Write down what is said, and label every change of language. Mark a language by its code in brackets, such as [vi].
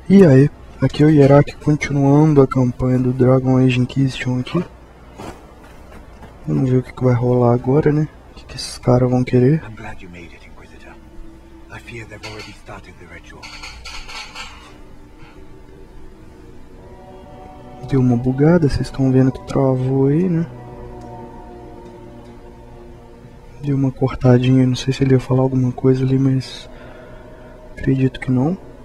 [pt] E aí, aqui é o Hierarque continuando a campanha do Dragon Age Inquisition aqui. Vamos ver o que vai rolar agora, né? O que esses caras vão querer. [en] I'm glad you made it, Inquisitor. I fear they've already started the ritual. [pt] Deu uma bugada, vocês estão vendo que travou aí, né? Deu uma cortadinha, não sei se ele ia falar alguma coisa ali, mas acredito que não.